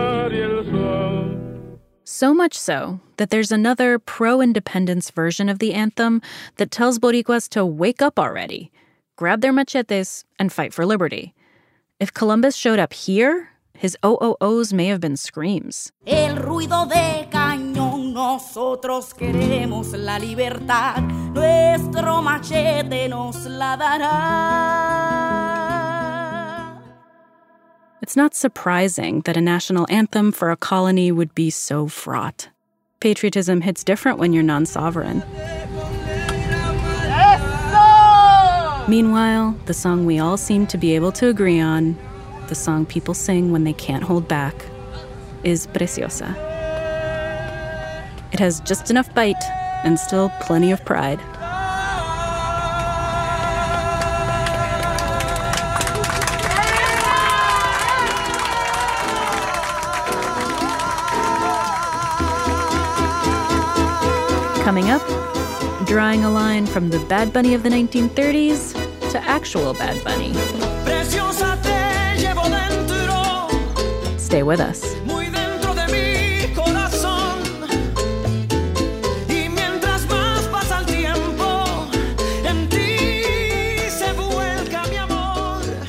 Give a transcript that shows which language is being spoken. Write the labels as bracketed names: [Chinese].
[English] So much so that there's another pro-independence version of the anthem that tells Boricuas to wake up already, grab their machetes, and fight for liberty. If Columbus showed up here, his OOOs may have been screams. [Spanish] El ruido de cañón, nosotros queremos la libertad, nuestro machete nos la dará. [English] It's not surprising that a national anthem for a colony would be so fraught. Patriotism hits different when you're non-sovereign. [Spanish] Eso! [English] Meanwhile, the song we all seem to be able to agree on, the song people sing when they can't hold back, is Preciosa. It has just enough bite and still plenty of pride. Coming up, drawing a line from the Bad Bunny of the 1930s to actual Bad Bunny. [Spanish] Preciosa te llevo dentro. [English] Stay with us. [Spanish] Muy dentro de mi corazón. Y mientras más pasa el tiempo, en ti se vuelca mi amor.